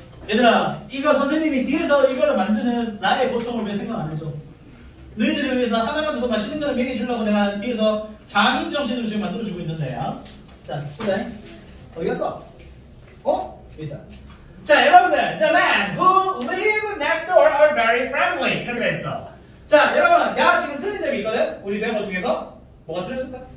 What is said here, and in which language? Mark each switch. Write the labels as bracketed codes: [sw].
[ko] 얘들아 이거 선생님이 뒤에서 이거를 만드는 나의 고통을 왜 생각 안 해줘? 너희들을 위해서 하나라도 더 맛있는 걸 먹여 주려고 내가 뒤에서 장인 정신으로 지금 만들어 주고 있는데. 야. 자 보자잉. 어디 갔어? 어? 일단. 자 여러분들 [en] The man who lives next door are very friendly [ko] 이렇게 했어. 자 여러분 야 지금 틀린 점이 있거든. 우리 배모 중에서 뭐가 틀렸을까?